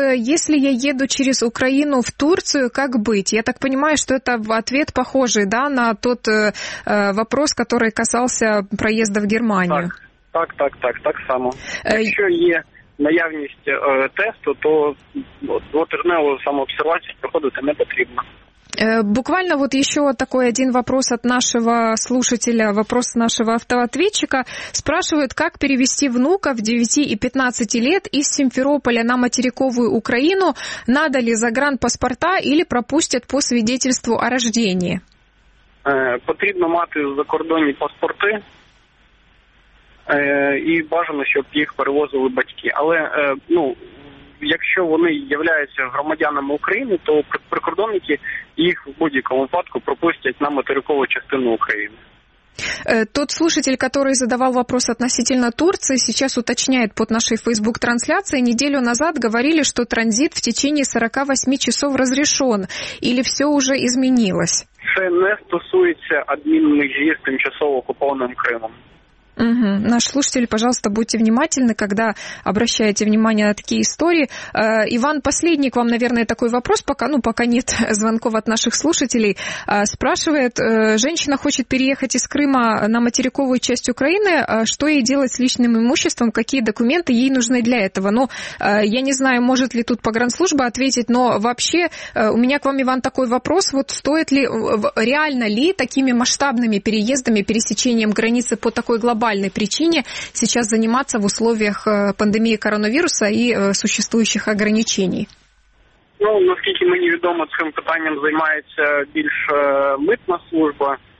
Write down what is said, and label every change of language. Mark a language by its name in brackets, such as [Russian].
[Ukrainian] Якщо я їду через Україну в Турцію, як бути? Я так розумію, що це відповідь [Russian] похожий, да, на той вопрос, [Ukrainian] який касався проїзду в Германію. Так само. Якщо є наявність тесту, то двотижневу самообсервацію проходити не потрібно. [Russian] Буквально вот еще такой один вопрос от нашего слушателя, вопрос нашего автоответчика. Спрашивают, как перевести внуков 9 и 15 лет из Симферополя на материковую Украину? Надо ли загранпаспорта или пропустят по свидетельству о рождении? [Ukrainian] Потрібно мати за кордоні паспорти. І бажано, щоб їх перевозили батьки. Але, ну, якщо вони являються громадянами України, то прикордонники їх в будь-якому випадку пропустять на материкову частину України. [Russian] Тот слушатель, который задавал вопрос относительно Турции, сейчас уточняет под нашей Facebook-трансляцией. Неделю назад говорили, что транзит в течение 48 часов разрешен. Или все уже изменилось? [Ukrainian] Це не стосується адмінмежі з тимчасово окупованим Кримом. Угу. [Russian] Наш слушатель, пожалуйста, будьте внимательны, когда обращаете внимание на такие истории. Иван, последний к вам, наверное, такой вопрос, пока нет звонков от наших слушателей. Спрашивает, женщина хочет переехать из Крыма на материковую часть Украины, что ей делать с личным имуществом, какие документы ей нужны для этого? Ну, я не знаю, может ли тут погранслужба ответить, но вообще у меня к вам, Иван, такой вопрос, вот стоит ли, реально ли такими масштабными переездами, пересечением границы по такой глобальной причине сейчас заниматься в условиях пандемии коронавируса и существующих ограничений? [Ukrainian] Ну, наскільки мені відомо, цим питанням займається більш митна служба.